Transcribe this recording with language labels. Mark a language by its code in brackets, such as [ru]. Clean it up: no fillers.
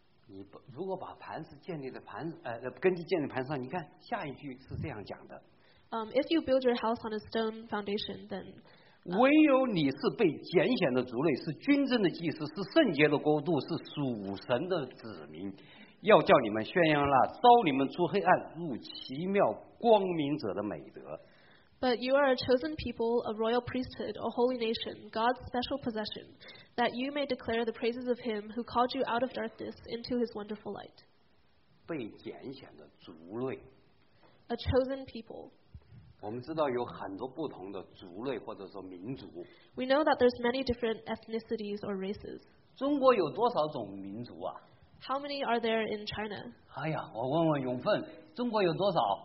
[zh] 你如果把磐石建立在磐根基建立磐石上你看下一句是这样讲的 [en] If you build your house on a stone foundation then [zh] 唯有你是被拣选的族类是君尊的祭司是圣洁的国度是属神的子民要叫你们宣扬那招你们出黑暗入奇妙光明者的美德。 [en] But you are a chosen people, a royal priesthood, a holy nation, God's special possession, that you may declare the praises of him who called you out of darkness into his wonderful light. [zh] 被拣选的族类。 [en] A chosen people. [zh] 我们知道有很多不同的族类或者说民族。 [en] We know that there's many different ethnicities or races. [zh] 中国有多少种民族啊？ [en] How many are there in China? [zh] 哎呀，我问问永奋，中国有多少？